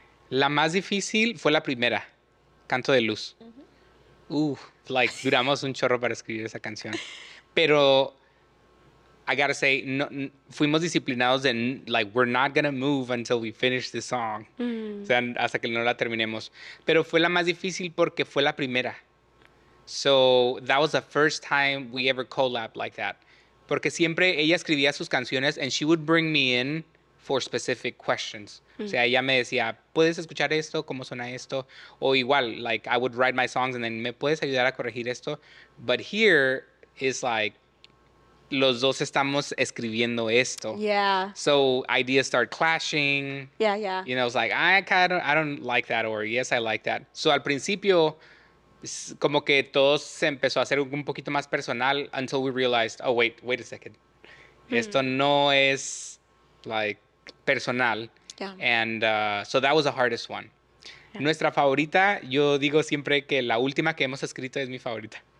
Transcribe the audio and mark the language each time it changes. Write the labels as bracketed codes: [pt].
[es] La más difícil fue la primera, Canto de Luz. Uh-huh. Like, duramos un chorro para escribir esa canción. Pero, [en] I gotta say, [es] no, fuimos disciplinados en, [en] like, we're not gonna move until we finish this song. Mm. [es] O sea, hasta que no la terminemos. Pero fue la más difícil porque fue la primera. [en] So, that was the first time we ever collabed like that. [es] Porque siempre ella escribía sus canciones [en] and she would bring me in for specific questions. [es] Mm. O sea, ella me decía, ¿puedes escuchar esto? ¿Cómo suena esto? O igual, [en] like, I would write my songs and then, [es] ¿me puedes ayudar a corregir esto? [en] But here is like, [es] los dos estamos escribiendo esto. [en] Yeah. So ideas start clashing. Yeah, yeah. You know, it's like, I don't like that, or yes, I like that. So [es] al principio, como que todo se empezó a hacer un poquito más personal [en] until we realized, oh, wait a second. [es] Mm-hmm. Esto no es, [en] like, [es] personal. [en] Yeah. And so that was the hardest one. Yeah. [es] Nuestra favorita, yo digo siempre que la última que hemos escrito es mi favorita.